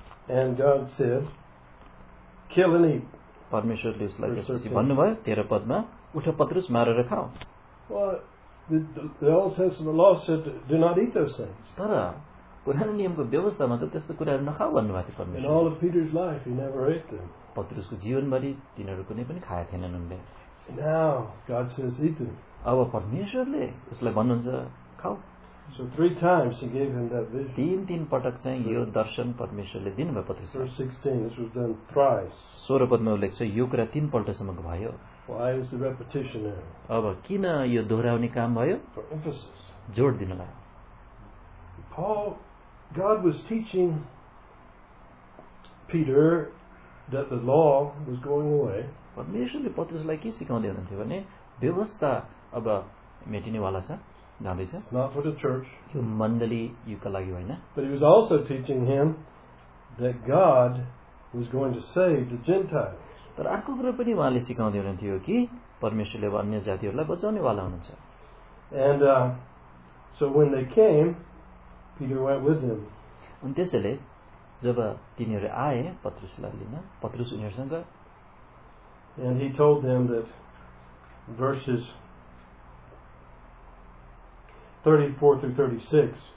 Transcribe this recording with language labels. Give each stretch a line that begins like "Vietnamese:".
English: And God said, kill and eat.
Nepali: परमेश्वरले उसलाई त्यसपछि भन्नुभयो 13 पदमा, उठ पत्रुस मारेर खाऊ.
English: The Old Testament law said, do not eat those things.
Nepali: तर पुरानो नियमको व्यवस्थामा त त्यस्तो कुराहरू नखाऊ भन्नुभएको थियो परमेश्वर.
English: In all of Peter's life, he never ate them.
Nepali: पत्रुसको जीवनभरि तिनीहरू कुनै पनि खाएको थिएनन् उनले.
English: Now, God says, eat them.
Nepali: अब परमेश्वरले उसलाई भन्नुहुन्छ खाऊ.
English: So 3 times he gave him that vision.
Nepali: 3 पटक चाहिँ यो दर्शन परमेश्वरले दिनुभयो पत्रुसलाई.
English: Verse 16, this was done thrice.
Nepali: 16 पदमा उल्लेख छ यो कुरा 3 पल्टसम्म भयो.
English: Why is the repetition there?
Nepali: अब किन यो दोहोऱ्याउने काम भयो?
English: For emphasis.
Nepali: जोड दिनलाई.
English: Paul, God was teaching Peter that the law was going away.
Nepali: परमेश्वरले पत्रुसलाई के सिकाउँदै हुनुहुन्थ्यो भने व्यवस्था अब मेटिनेवाला छ.
English: It's not for the church.
Nepali: यो मण्डली युगका लागि होइन.
English: But he was also teaching him that God was going to save the Gentiles.
Nepali: तर अर्को कुरा पनि उहाँले सिकाउँदै हुनुहुन्थ्यो कि परमेश्वरले अन्य जातिहरूलाई बचाउने वाला हुनुहुन्छ.
English: And so when they came, Peter went with them.
Nepali: अनि त्यसैले जब तिनीहरू आए पत्रुसलाई लिन, पत्रुस उनीहरूसँग,
English: and he told them that verses 34-36.